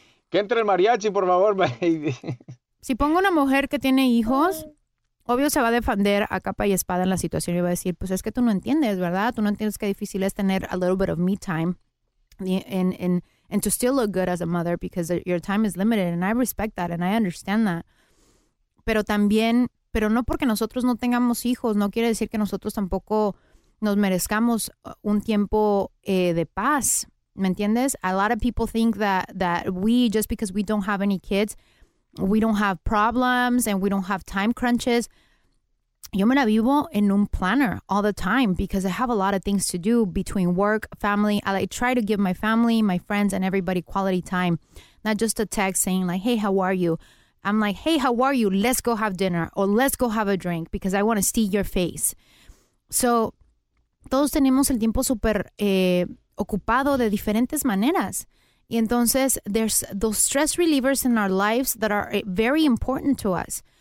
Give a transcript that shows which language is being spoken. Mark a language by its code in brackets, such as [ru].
[es] Que entre el mariachi, por favor, baby. Si pongo una mujer que tiene hijos... Obvio se va a defender a capa y espada en la situación y va a decir, pues es que tú no entiendes, ¿verdad? Tú no entiendes qué difícil es tener [en] a little bit of me time and to still look good as a mother because your time is limited and I respect that and I understand that. [es] Pero no porque nosotros no tengamos hijos, no quiere decir que nosotros tampoco nos merezcamos un tiempo de paz, ¿me entiendes? [en] A lot of people think that we, just because we don't have any kids, we don't have problems and we don't have time crunches. [es] Yo me la vivo en un planner [en] all the time because I have a lot of things to do between work, family. I try to give my family, my friends, and everybody quality time. Not just a text saying like, hey, how are you? I'm like, hey, how are you? Let's go have dinner or let's go have a drink because I want to see your face. [es] So, todos tenemos el tiempo súper ocupado de diferentes maneras. Y entonces, [en] there's those stress relievers in our lives that are very important to us.